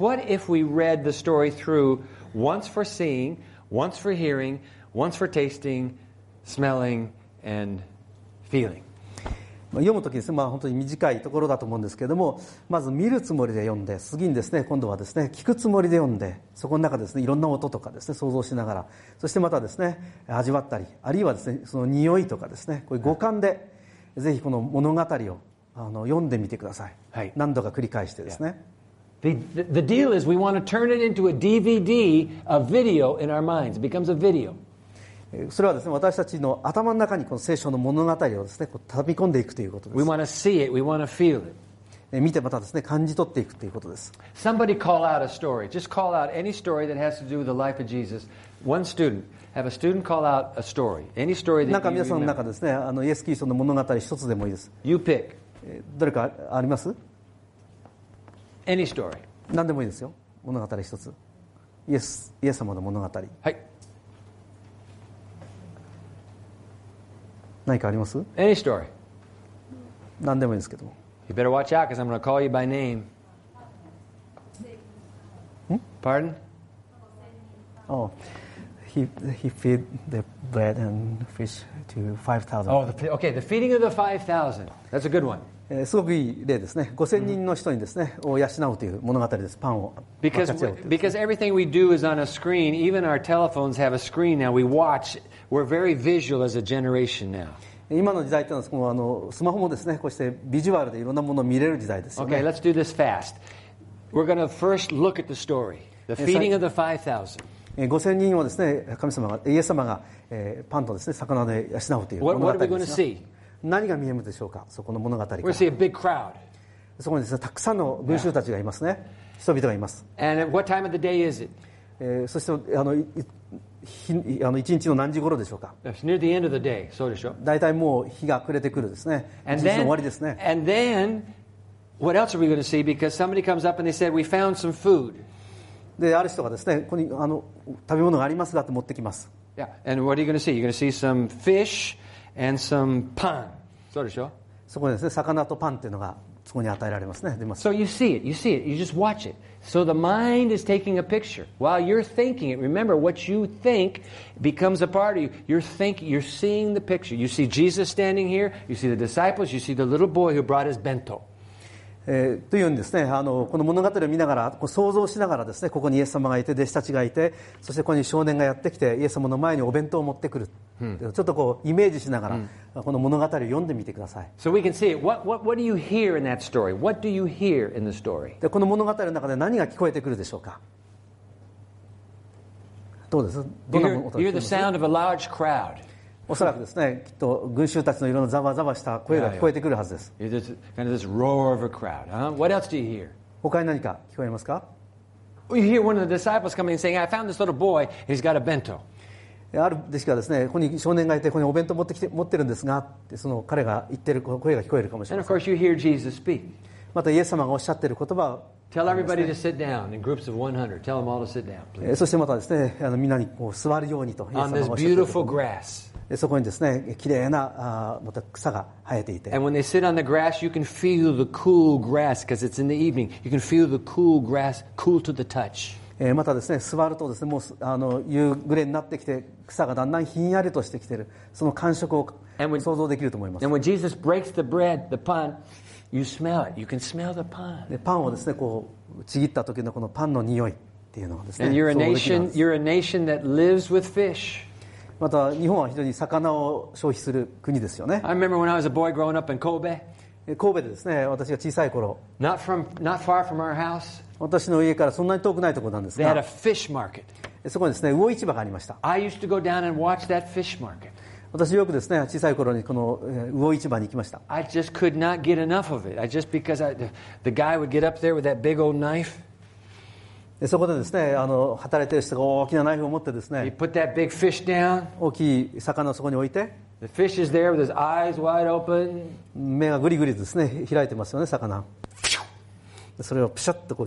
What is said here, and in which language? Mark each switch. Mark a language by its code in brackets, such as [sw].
[en] What if we read the story through once for seeing, once for hearing, once for tasting, smelling, and feeling? [ja] 読むときですね、まあ、本当に短いところだと思うんですけれども、まず見るつもりで読んで、次にですね、今度はですね、聞くつもりで読んで、そこの中ですね、いろんな音とかですね、想像しながら、そしてまたですね、味わったり、あるいはですね、その匂いとかですね、こういう五感で、はい、ぜひこの物語をあの読んでみてください、はい。何度か繰り返してですね。 [en] Yeah. The deal is we want to turn it into a DVD, a video in our minds. It becomes a video. [ja] それはですね、私たちの頭の中にこの聖書の物語をですね、こう畳み込んでいくということです。 [en] We want to see it. We want to feel it. [ja] 見てまたですね、感じ取っていくということです。 [en] Somebody call out a story. Just call out any story that has to do with the life of Jesus. One student. Have a student call out a story. Any story that you remember. [ja] なんか皆さんの中ですね、あのイエス・キリストの物語一つでもいいです。 [en] You pick. [ja] どれかあります？ [en] Any story. [ja] 何でもいいですよ。物語一つ。イエス様の物語。はい。何かあります? [en] Any story. [ja] 何でもいいですけども。 [en] You better watch out because I'm going to call you by name. Pardon? Oh, he feed the bread and fish to 5,000. Oh, okay, the feeding of the 5,000. That's a good one. [ja] すごくいい例ですね。 5,000人の人にですね、を養うという物語です。パンを分かち合うというですね。 [en] Because everything we do is on a screen. Even our telephones have a screen now. We watch... We're very visual as a generation now. [ja] 今の時代というのは、スマホもですね、こうしてビジュアルでいろんなものを見れる時代ですよね。 [en] Okay, let's do this fast. We're going to first look at the story. The feeding of the 5,000. [ja] 5,000 人をですね、神様が、イエス様が、パンとですね、魚で養うという物語ですよ。 [en] What are we going to see? [ja] 何が見えるでしょうか、そこの物語から。 [en] We're going to see a big crowd. [ja] そこにですね、たくさんの群衆たちがいますね。 [en] Yeah. [ja] 人々がいます。 [en] And at what time of the day is it? [ja] そして一日の何時頃でしょうか。 [en] It's near the end of the day, [ja] そうでしょう。大体もう日が暮れてくるですね。一日の終わりですね。 [en] And then, what else are we going to see? Because somebody comes up and they said, we found some food. [ja] で、ある人がですね、ここに食べ物がありますがって持ってきます。 [en] Yeah. And what are you going to see? You're going to see some fish and some pan. [ja] そうでしょう。そこですね、魚とパンっていうのがそこに与えられますね。出ます。 [en] So you see it, you see it, you just watch it. So the mind is taking a picture. While you're thinking it, remember what you think becomes a part of you. You're thinking, you're seeing the picture. You see Jesus standing here, you see the disciples, you see the little boy who brought his bento. [ja] というようにですね、この物語を見ながら、こう想像しながらですね、ここにイエス様がいて、弟子たちがいて、そしてここに少年がやってきて、イエス様の前にお弁当を持ってくる。ちょっとこうイメージしながら、この物語を読んでみてください。 [en] So we can see it. What do you hear in that story? What do you hear in the story? [ja] で、この物語の中で何が聞こえてくるでしょうか。どうです？どんな音が聞こえます？ [en] Hear the sound of a large crowd. [ja] おそらくですね、きっと群衆たちのいろんなざわざわした声が聞こえてくるはずです。 [en] Yeah, yeah. Kind of this roar of a crowd, huh? What else do you hear? [ja] 他に何か聞こえますか？ [en] You hear one of the disciples coming and saying, I found this little boy, he's got a bento. [ja] ある弟子がですね、ここに少年がいて、ここにお弁当持ってきて、持ってるんですが、ってその彼が言ってる声が聞こえるかもしれません。 [en] And of course you hear Jesus speak. [ja] またイエス様がおっしゃってる言葉を、 [en] Tell everybody to sit down in groups of 100. Tell them all to sit down, please. [ja] そしてまたですね、みんなにこう座るようにと、イエス様がおっしゃってる言葉を。そこにですね、きれいな、また草が生えていて。 [en] And when they sit on the grass, you can feel the cool grass, because it's in the evening. You can feel the cool grass, cool to the touch. [ja] またですね、座るとですね、もう夕暮れになってきて、草がだんだんひんやりとしてきている。その感触を想像できると思います。 [en] And when Jesus breaks the bread, the pan, you smell it. You can smell the pan. [ja] で、パンをですね、こう、ちぎった時のこのパンの匂いっていうのがですね、 [en] And you're a nation that lives with fish. [ja] また日本は非常に魚を消費する国ですよね。 [en] I remember when I was a boy growing up in Kobe. [ja] 神戸でですね、私が小さい頃。 [en] Not far from our house. [ja] 私の家からそんなに遠くないところなんですが。 [en] They had a fish market. [ja] そこにですね、魚市場がありました。 [en] I used to go down and watch that fish market. [ja] 私よくですね、小さい頃にこの魚市場に行きました。 [en] I just could not get enough of it. I just because I, the guy would get up there with that big old knife. [ja] そこでですね、働いている人が大きなナイフを持ってですね、大きい魚をそこに置いて、 [en] the fish is there with his eyes wide open. [ja] 目がグリグリですね、開いてますよね、魚。それをピシャッとこう